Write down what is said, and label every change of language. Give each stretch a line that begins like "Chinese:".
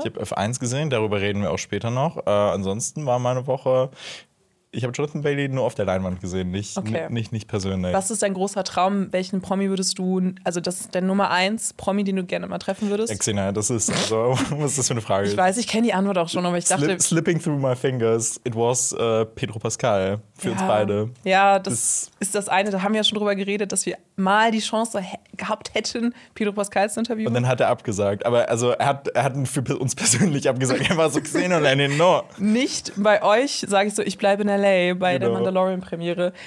German: Ich habe F1 gesehen, darüber reden wir auch später noch. Ansonsten war meine Woche, ich habe Jonathan Bailey nur auf der Leinwand gesehen, nicht persönlich. Was ist dein großer Traum? Welchen Promi würdest du, also das ist dein Nummer 1 Promi, den du gerne mal treffen würdest? Xena, das ist so, also, was ist das für eine Frage? Ich weiß, ich kenne die Antwort auch schon, aber ich dachte...
English: Slipping through my fingers, it was Pedro Pascal
German: für uns beide. Ja, das ist das eine, da haben wir ja schon drüber geredet, dass wir mal die Chance gehabt hätten, Pedro Pascal zu interviewen. Und dann hat er abgesagt, aber also er hat für uns persönlich abgesagt, er war so Xena und Lenny, no. Nicht bei euch, sage ich so, ich bleibe in der LA bei der Mandalorian-Premiere.